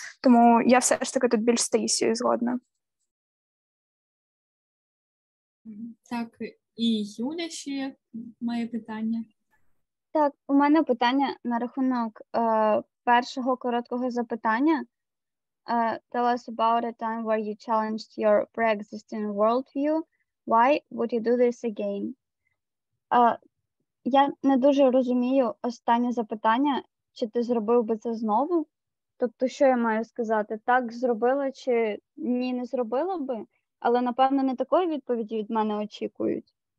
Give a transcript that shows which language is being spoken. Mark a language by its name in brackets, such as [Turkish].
[Ukrainian] Тому я все ж таки тут більш з Таїсією згодна. Так, і Юля ще має питання. Так, у мене питання на рахунок першого короткого запитання. [English] Tell us about a time where you challenged your pre-existing worldview. Why would you do this again? [Ukrainian] Я не дуже розумію останнє запитання, чи ти зробив би це знову? Тобто, що я маю сказати? Так зробила чи ні, не зробила би? Але, напевно, не такої відповіді від мене очікують.